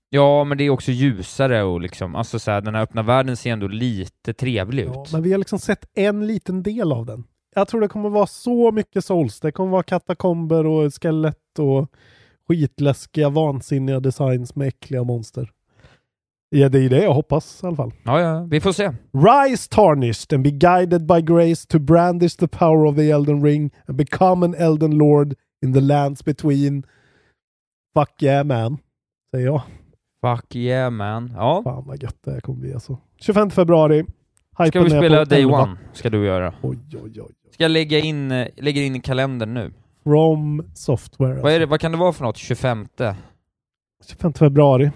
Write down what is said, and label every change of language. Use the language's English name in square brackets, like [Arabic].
[Swedish] Ja, men det är också ljusare och liksom, alltså så här, den här öppna världen ser ändå lite trevlig ut. Ja, men vi har liksom sett en liten del av den. Jag tror det kommer vara så mycket souls. Det kommer vara katakomber och skelett och skitläskiga, vansinniga designs med äckliga monster. Ja, det är det jag hoppas i alla fall. Ja, vi får se. [English] Rise tarnished and be guided by grace to brandish the power of the Elden Ring and become an Elden Lord in the lands between. Fuck yeah, man. [Swedish] Säger jag. [English] Fuck yeah, man. [Swedish] Ja. Fan vad gött det kommer bli alltså. 25 februari. Ska vi spela Day One? Ska du göra? Oj, oj, oj. Ska jag lägga in i kalendern nu? From Software. Vad är det? Vad kan det vara för något? 25? 25 februari.